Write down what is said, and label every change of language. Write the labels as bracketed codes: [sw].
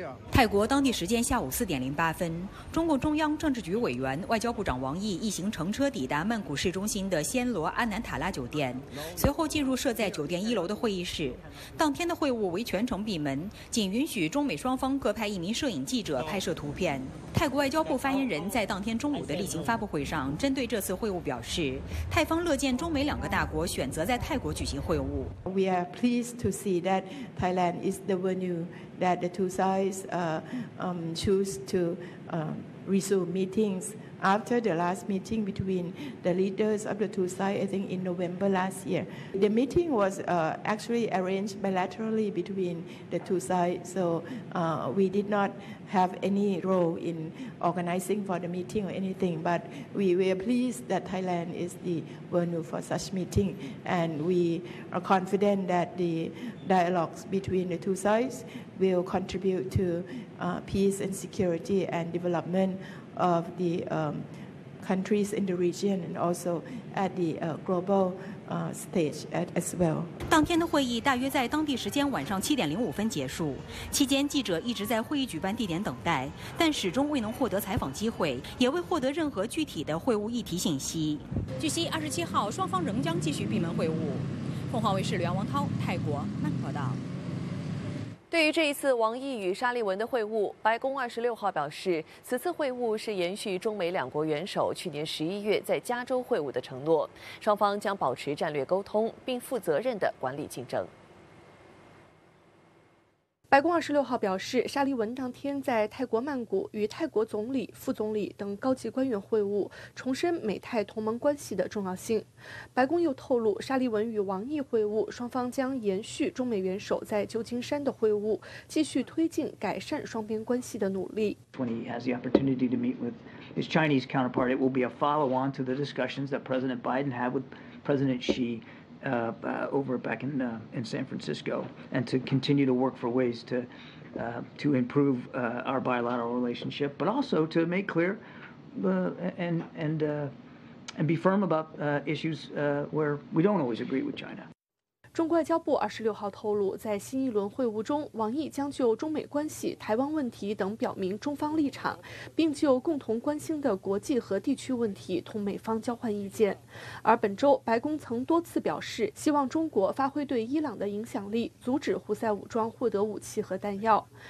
[zh] 泰国当地时间下午4:08，中共中央政治局委员、外交部长王毅一行乘车抵达曼谷市中心的暹罗安南塔拉酒店，随后进入设在酒店一楼的会议室。当天的会晤为全程闭门，仅允许中美双方各派一名摄影记者拍摄图片。泰国外交部发言人在当天中午的例行发布会上，针对这次会晤表示，泰方乐见中美两个大国选择在泰国举行会晤。 [en] We are pleased to see that Thailand is the venue that the two sides choose to resume meetings after the last meeting between the leaders of the two sides, I think in November last year. The meeting was actually arranged bilaterally between the two sides, so we did not have any role in organizing for the meeting or anything, but we were pleased that Thailand is the venue for such meeting, and we are confident that the dialogues between the two sides will contribute to peace and security and development of the countries in the region and also at the global stage as well. [zh] 当天的会议大约在当地时间晚上7:05结束，期间记者一直在会议举办地点等待，但始终未能获得采访机会，也未获得任何具体的会晤议题信息。据悉，27号双方仍将继续闭门会晤。凤凰卫视刘洋、王涛，泰国曼谷报道。对于这一次王毅与沙利文的会晤，白宫26号表示，此次会晤是延续中美两国元首去年11月在加州会晤的承诺，双方将保持战略沟通，并负责任地管理竞争。白宫26号表示，沙利文当天在泰国曼谷与泰国总理、副总理等高级官员会晤，重申美泰同盟关系的重要性。白宫又透露，沙利文与王毅会晤，双方将延续中美元首在旧金山的会晤，继续推进改善双边关系的努力。 [en] When he has the opportunity to meet with his Chinese counterpart, it will be a follow-on to the discussions that President Biden had with President Xi. Over back in San Francisco, and to continue to work for ways to improve our bilateral relationship, but also to make clear and be firm about issues where we don't always agree with China. [zh] 中国外交部26号透露，在新一轮会晤中，王毅将就中美关系、台湾问题等表明中方立场，并就共同关心的国际和地区问题同美方交换意见。而本周，白宫曾多次表示，希望中国发挥对伊朗的影响力，阻止胡塞武装获得武器和弹药。